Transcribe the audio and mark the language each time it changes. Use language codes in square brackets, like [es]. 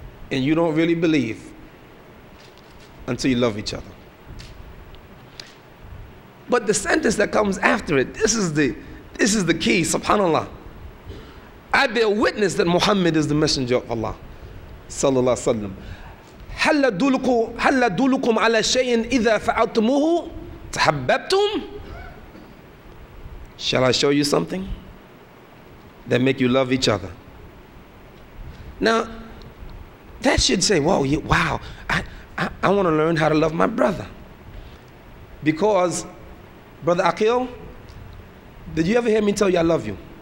[en] And you don't really believe until you love each other. But the sentence that comes after it, this is the key, subhanAllah. I bear witness that Muhammad is the messenger of Allah, sallallahu alaihi wasallam. [ar] هل أدلكم على شيء إذا فعلتموه تحببتم? [en] Shall I show you something that make you love each other? Now, that should say, whoa, wow, I want to learn how to love my brother. Because, Brother Akil, did you ever hear me tell you I love you?